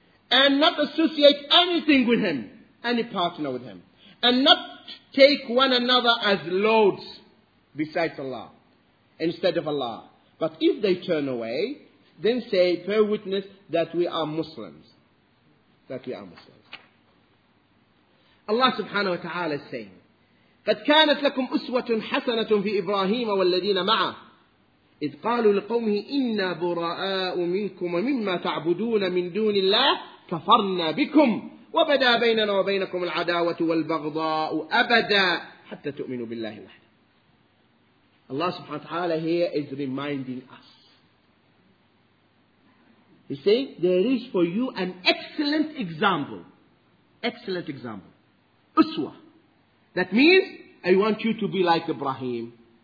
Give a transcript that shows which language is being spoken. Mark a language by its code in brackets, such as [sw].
[en] And not associate anything with him, any partner with him. And not take one another as lords besides Allah, instead of Allah. But if they turn away, then say, bear witness that we are Muslims. That we are Muslims. Allah subhanahu wa ta'ala is saying, [ar] قَدْ كَانَتْ لَكُمْ أُسْوَةٌ حَسَنَةٌ فِي إِبْرَاهِيمَ وَالَّذِينَ مَعَهُ إِذْ قَالُوا لِقَوْمِهِ إِنَّا بُرَآءُ مِنْكُمْ وَمِمَّا تَعْبُدُونَ مِنْ دُونِ اللَّهِ كَفَرْنَا بِكُمْ وَبَدَى بَيْنَنَا وَبَيْنَكُمْ الْعَدَاوَةُ وَالْبَغْضَاءُ أَبَدًا حَتَّى تُؤْمِنُوا بِاللَّهِ وَحْدَهُ. [en] Allah subhanahu wa ta'ala here is reminding us. He saying, there is for you an excellent example. Excellent example. Uswa. That means, I want you to be like Ibrahim.